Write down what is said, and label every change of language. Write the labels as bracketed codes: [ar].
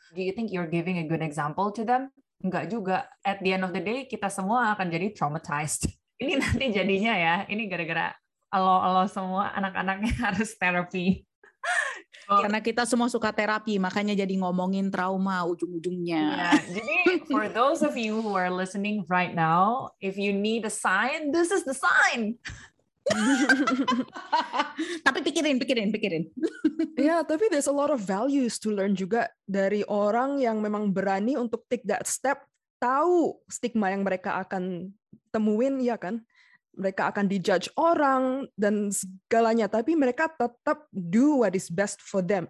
[en] Do you think you're giving a good example to them? [id] Enggak juga. [en] At the end of the day, [id] kita semua akan jadi [en] traumatized. [id] Ini nanti jadinya ya, ini gara-gara lo semua anak-anaknya harus terapi. Karena kita semua suka terapi, makanya jadi ngomongin trauma ujung-ujungnya. Yeah. Jadi, [en] for those of you who are listening right now, if you need a sign, this is the sign! [id] Tapi pikirin. Ya, tapi [en] there's a lot of values to learn [id] juga dari orang yang memang berani untuk [en] take that step, [id] tahu stigma yang mereka akan temuin, ya kan? Mereka akan dijudge orang dan segalanya, tapi mereka tetap [en] do what is best for them.